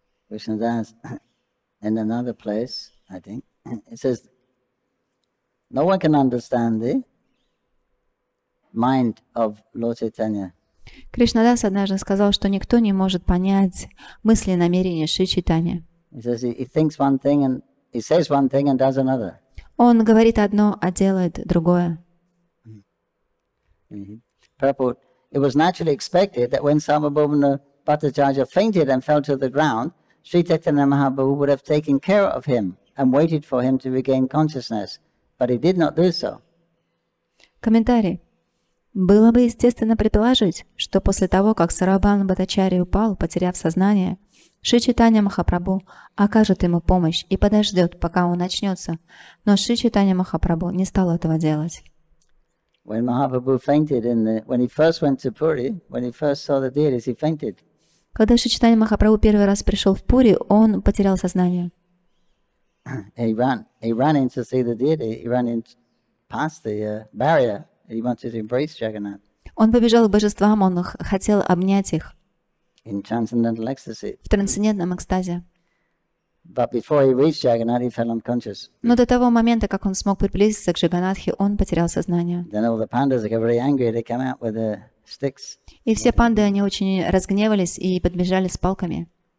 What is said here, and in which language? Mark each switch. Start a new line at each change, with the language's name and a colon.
English: Кришнадас, in another place, I think, it says, no one can understand the mind of Lord Chaitanya.
Russian: Кришнадас однажды сказал, что никто не может понять мысли и намерения Шри Чайтаньи.
English: He says he thinks one thing and he says one thing and does another.
Russian: Он говорит одно, а делает другое.
English: Prabhu, it was naturally expected that when Sarvabhauma Bhattacharya fainted and fell to the ground, Śrī Caitanya-caritāmṛta would have taken care of him and waited for him to regain consciousness, but he did not do so.
Russian: Комментарий. Было бы естественно предположить, что после того, как Сарвабхаума Бхаттачарья упал, потеряв сознание, Śrī Caitanya-caritāmṛta окажет ему помощь и подождет, пока он очнется, но Śrī Caitanya-caritāmṛta не стал этого делать.
English: When Mahaprabhu fainted when he first went to Puri, when he first saw the deities, he fainted.
Russian: Когда Шри Чайтанья Махапрабху первый раз пришел в Пури, он потерял сознание.
English: He ran in to see the deity. He ran in past the barrier. He wanted to embrace Jagannath.
Russian: Он побежал к божествам, он хотел обнять их.
English: In transcendental ecstasy.
Russian: В трансцендентном экстазе.
English: But before he reached Jagannath, he fell unconscious.
Russian: Но до того момента, как он смог приблизиться к Джаганатхе, он потерял сознание.
English: Then all the pandas got very angry. They came out with the sticks.
Russian: И все панды они очень разгневались и подбежали с палками.